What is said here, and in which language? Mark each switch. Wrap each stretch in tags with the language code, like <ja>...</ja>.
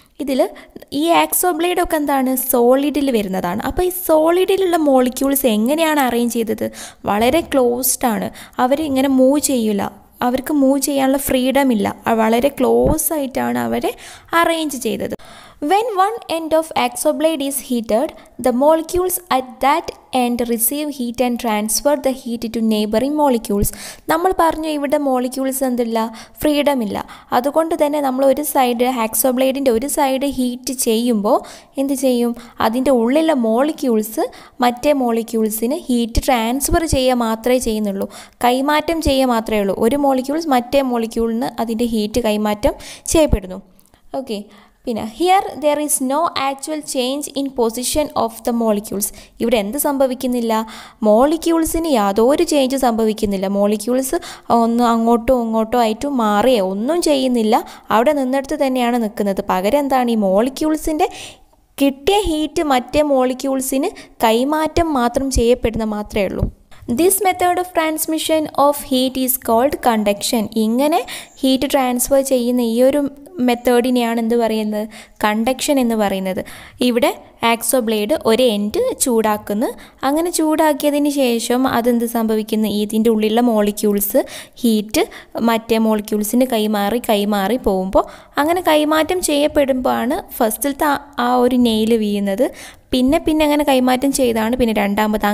<ml>ഇതിൽ ഈ ആക്സോബ്ലേഡൊക്കെ എന്താണ് സോളിഡിൽ വരുന്നതാണ്. അപ്പോൾ ഈ സോളിഡിലുള്ള മോളിക്യൂൾസ് എങ്ങനെയാണ് അറേഞ്ച് ചെയ്തത്, വളരെ ക്ലോസ്ഡ് ആണ്, അവരിങ്ങനെ മൂവ് ചെയ്യില്ല, അവർക്ക് മൂവ് ചെയ്യാനുള്ള ഫ്രീഡം ഇല്ല. വളരെ ക്ലോസ് ആയിട്ടാണ് അവരെ അറേഞ്ച് ചെയ്തത്.</ml> <en>When one end of exoblade is heated, the molecules at that end receive heat and transfer the heat to neighboring molecules.</en> <ml>നമ്മൾ പറഞ്ഞു ഇവിടെ മോളിക്യൂൾസ് എന്തില്ല, ഫ്രീഡം ഇല്ല. അതുകൊണ്ട് തന്നെ നമ്മൾ ഒരു സൈഡ് എക്സോബ്ലേഡിൻ്റെ ഒരു സൈഡ് ഹീറ്റ് ചെയ്യുമ്പോൾ എന്ത് ചെയ്യും, അതിൻ്റെ ഉള്ളിലെ മോളിക്യൂൾസ് മറ്റേ മോളിക്യൂൾസിന് ഹീറ്റ് ട്രാൻസ്ഫർ ചെയ്യുക മാത്രമേ ചെയ്യുന്നുള്ളൂ, കൈമാറ്റം ചെയ്യുക മാത്രമേ ഉള്ളൂ. ഒരു മോളിക്യൂൾസ് മറ്റേ മോളിക്യൂളിന് അതിൻ്റെ ഹീറ്റ് കൈമാറ്റം ചെയ്യപ്പെടുന്നു.</ml> <en>Okay, പിന്നെ here there is no actual change in position of the molecules.</en> <ml>ഇവിടെ എന്ത് സംഭവിക്കുന്നില്ല, മോളിക്യൂൾസിന് യാതൊരു ചേഞ്ചും സംഭവിക്കുന്നില്ല. മോളിക്യൂൾസ് ഒന്ന് അങ്ങോട്ടും ഇങ്ങോട്ടും ആയിട്ടും മാറിയേ ഒന്നും ചെയ്യുന്നില്ല, അവിടെ നിന്നിടത്ത് തന്നെയാണ് നിൽക്കുന്നത്. പകരം എന്താണ്, ഈ മോളിക്യൂൾസിൻ്റെ കിട്ടിയ ഹീറ്റ് മറ്റേ മോളിക്യൂൾസിന് കൈമാറ്റം മാത്രം ചെയ്യപ്പെടുന്ന മാത്രമേ ഉള്ളൂ.</ml> <en>This method of transmission of heat is called conduction.</en> <ml>ഇങ്ങനെ ഹീറ്റ് ട്രാൻസ്ഫർ ചെയ്യുന്ന ഈ ഒരു മെത്തേഡിനെയാണ് എന്ത് പറയുന്നത്, കണ്ടക്ഷൻ എന്ന് പറയുന്നത്. ഇവിടെ ആക്സോബ്ലേഡ് ഒരു എൻഡ് ചൂടാക്കുന്നു, അങ്ങനെ ചൂടാക്കിയതിന് ശേഷം അതെന്ത് സംഭവിക്കുന്നു, ഇതിൻ്റെ ഉള്ളിലുള്ള മോളിക്യൂൾസ് ഹീറ്റ് മറ്റേ മോളിക്യൂൾസിന് കൈമാറി കൈമാറി പോകുമ്പോൾ, അങ്ങനെ കൈമാറ്റം ചെയ്യപ്പെടുമ്പോഴാണ് ഫസ്റ്റിലത്തെ ആ ഒരു നെയിൽ വീഴുന്നത്, പിന്നെ പിന്നെ അങ്ങനെ കൈമാറ്റം ചെയ്താണ് പിന്നെ രണ്ടാമത്.</ml>